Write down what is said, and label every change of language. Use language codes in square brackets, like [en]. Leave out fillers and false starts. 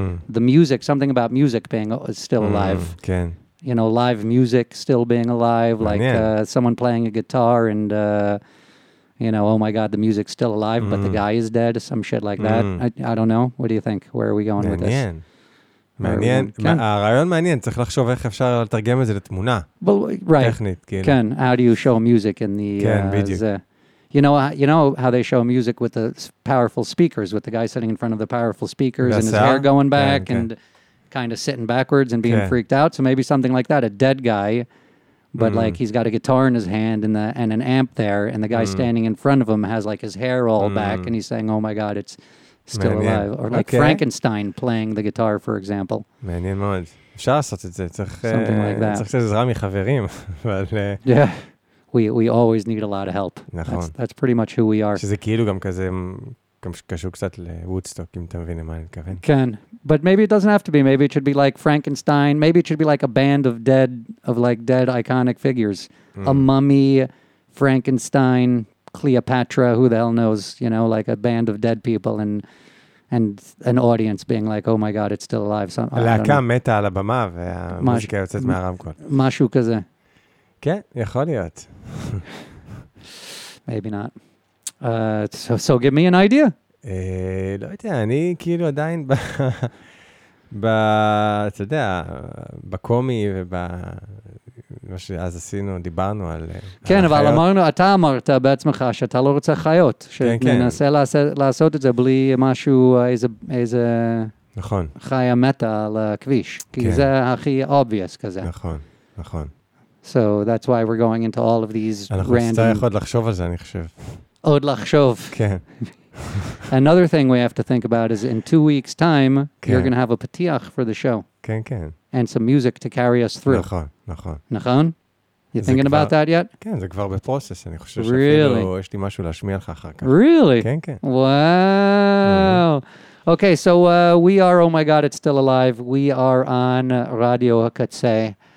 [en] The music, something about music being still alive. [he] כן. [en] You know, live music still being alive, like someone playing a guitar and, you know, oh my God, the music's still alive, but the guy is dead, some shit like that. I don't know. What do you think? Where are we going with this? [he] מעניין. מעניין. הרעיון מעניין. צריך לחשוב איך אפשר לתרגם את זה לתמונה. [en] Right. [he] טכנית, כאילו. כן. [en] How do you show music in the... [he] כן, בדיוק. [en] You know how they show music with the powerful speakers, with the guy sitting in front of the powerful speakers and his hair going back and... kind of sitting backwards and being freaked out. So maybe something like that, a dead guy, but like he's got a guitar in his hand and an amp there, and the guy standing in front of him has like his hair all back, and he's saying, oh my God, it's still [he] מעניין. [en] Alive. Or like Frankenstein playing the guitar, for example. [he] מעניין מאוד. אפשר לעשות את זה. צריך, [en] something like that. [he] צריך לעזרה מחברים. אבל, [en] yeah. We always need a lot of help. [he] נכון. [en] That's pretty much who we are. [he] שזה כאילו גם כזה... קשור קצת לוודסטוק, אם אתה מבין מה אני מתכוון. כן, [en] but maybe it doesn't have to be. Maybe it should be like Frankenstein. Maybe it should be like a band of dead, of like dead iconic figures. A mummy, Frankenstein, Cleopatra, who the hell knows, you know, like a band of dead people. And and an audience being like, oh my god, it's still alive. So, [he] הלהקה מתה על הבמה והמוזיקה יוצאת מהרמקול. משהו כזה. כן, יכול להיות. [en] Maybe not. So give me an idea. [he] לא יודע, אני כאילו עדיין אתה יודע, בקומי ומה שאז עשינו, דיברנו על החיות. כן, אבל אמרנו, אתה אמרת בעצמך שאתה לא רוצה חיות. כן, כן. שננסה לעשות את זה בלי משהו, איזה נכון. חיה מתה על הכביש. כי זה הכי obvious כזה. נכון, נכון. [en] So that's why we're going into all of these random... [he] אנחנו צריך עוד לחשוב על זה, אני חושב. עוד לחשוב. כן. [en] Another thing we have to think about is in 2 weeks' time, [he] כן. [en] You're going to have a patiach for the show. [he] כן, כן. [en] And some music to carry us through. [he] נכון, נכון. נכון? [en] You thinking [he] כבר, [en] about that yet? [he] כן, זה כבר בפרוסס. אני חושב [en] really? [he] שאפילו יש לי משהו להשמיע לך אחר כך. [en] Really? [he] כן, כן. [en] Wow. Mm-hmm. Okay, so we are, oh my God, it's still alive. We are on Radio Hakatse.